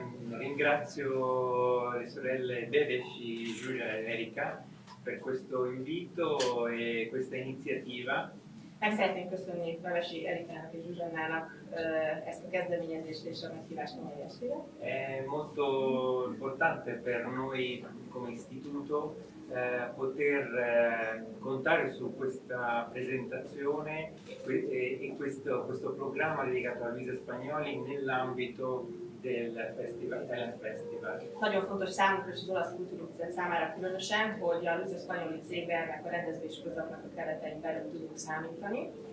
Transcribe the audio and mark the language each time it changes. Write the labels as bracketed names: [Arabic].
[Italian] Ringrazio le sorelle Bevesi, Giulia e Erika per questo invito e questa iniziativa. [Hungarian] Meg szeretném köszönni Bevesi Erikának és Zsuzsannának ezt a kezdeményezést és a meghívást a mai estére. [Italian] È molto importante per noi come istituto poter contare su questa presentazione e questo programma dedicato a Luisa Spagnoli nell'ambito del Festival Talent Festival. [Hungarian] Nagyon fontos számunkra és az Olasz Kultúrintézet számára különösen, hogy a Luisa Spagnoli cégbe a rendezvény közöknek a keretein belül tudunk számítani.